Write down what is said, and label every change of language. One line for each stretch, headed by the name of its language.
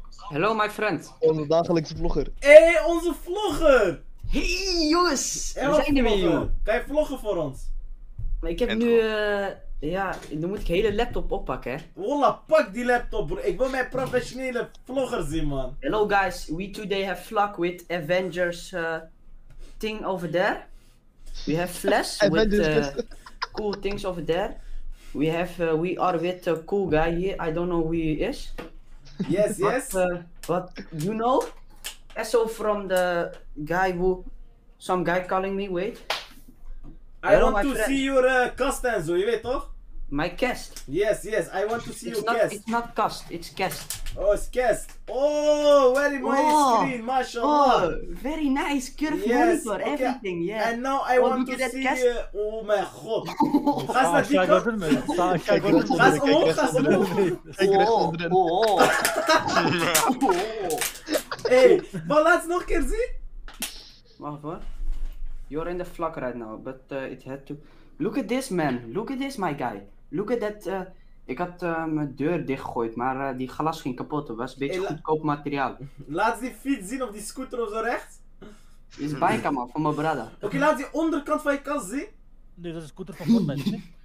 English: Hello, my friend.
Dutch: Onze dagelijkse vlogger. Hé, hey, onze vlogger! Hey, jongens! Hey, we zijn er weer, joh. Kan je vloggen voor ons? Ik heb nu, ja, dan moet ik hele laptop oppakken, hè. Holla, pak die laptop, bro. Ik wil mijn professionele vlogger zien, man.
English: Hello, guys. We today have vlog with Avengers thing over there. We have Flash with cool things over there. We have, we are with a cool guy here. I don't know who he is. Yes, yes. But you know, SO from the guy who, some guy calling me, wait. I want to see your cast and
Dutch: zo, je weet toch?
English: My cast? Yes, yes, I want to see your cast. It's not cast, it's cast. Oh, it's cast. Oh, very nice screen, mashallah. Oh, very nice, curved monitor, okay. Everything, yeah. And now I want to see... Oh my god.
Dutch: Gaat naar die kant? Kijk omhoog, gaat omhoog. Kijk rechtsonderin. Hey, maar laat het nog een keer zien. Wacht hoor.
English: You're in the flock right now, but it had to... Look at this man, look at this my guy. Look at that...
Dutch: Ik had mijn deur dichtgegooid, maar die glas ging kapot. Het was een beetje goedkoop materiaal. Laat die fiets zien of die scooter of zo rechts. Dit is bike, man, van mijn brother. Oké, okay, laat die onderkant van je kast zien. Nee, dat is een scooter van Fortnite.